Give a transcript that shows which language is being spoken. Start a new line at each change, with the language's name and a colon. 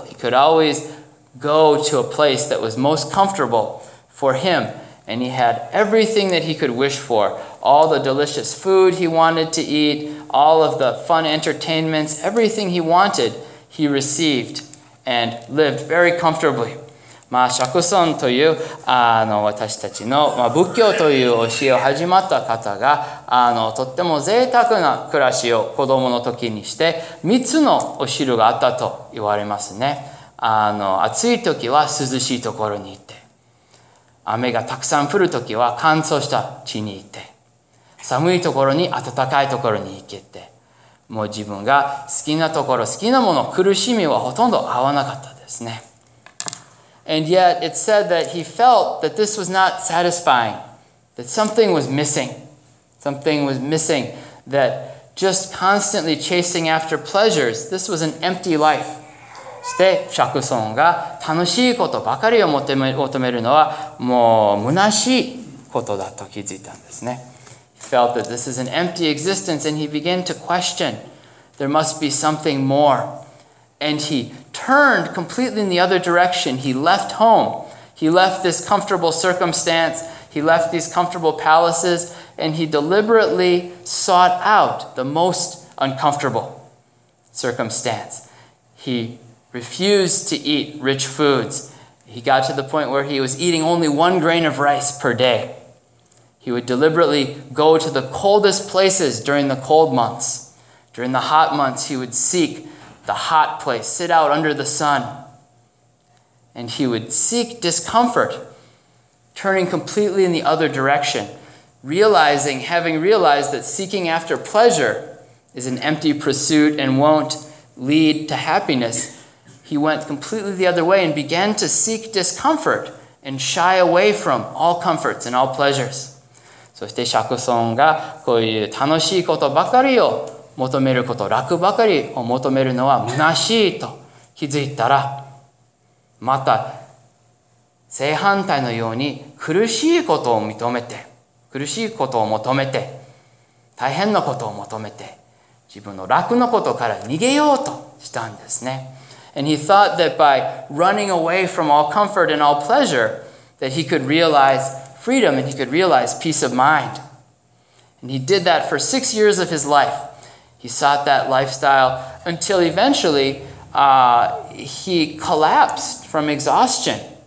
English: He could always go to a place that was most comfortable for him. And he had everything that he could wish for. All the delicious food he wanted to eat, all of the fun entertainments, everything he wanted, he received and lived very comfortably.
Japanese: まあ、釈尊というあの私たちの、まあ、仏教という教えを始まった方が、あのとっても贅沢な暮らしを子供の時にして、3つのお汁があったと言われますね。あの暑い時は涼しいところに行って、雨がたくさん降る時は乾燥した地に行って、寒いところに暖かいところに行けて、もう自分が好きなところ、好きなもの、苦しみはほとんど合わなかったですね。
English: And yet it said that he felt that this was not satisfying, that something was missing. Something was missing, that just constantly chasing after pleasures, this was an empty life.
Japanese: そして釈尊が楽しいことばかりを求めるのはもう虚しいことだと気づいたんですね。
English: He felt that this is an empty existence and he began to question, there must be something more. And he turned completely in the other direction. He left home. He left this comfortable circumstance. He left these comfortable palaces. And he deliberately sought out the most uncomfortable circumstance. He refused to eat rich foods. He got to the point where he was eating only one grain of rice per day. He would deliberately go to the coldest places during the cold months. During the hot months, he would seek the hot place, sit out under the sun. And he would seek discomfort, turning completely in the other direction, having realized that seeking after pleasure is an empty pursuit and won't lead to happiness, he went completely the other way and began to seek discomfort and shy away from all comforts and all pleasures.
Japanese: そして釈尊がこういう楽しいことばかりを求めること、楽ばかりを求めるのは虚しいと気づいたら、また正反対のように苦しいことを認めて、苦しいことを求めて、大変なことを求めて、自分の楽のことから逃げようとしたんですね。
English: And he thought that by running away from all comfort and all pleasure, that he could realize freedom and he could realize peace of mind. And he did that for 6 years of his life. He sought that lifestyle until eventually he collapsed from exhaustion.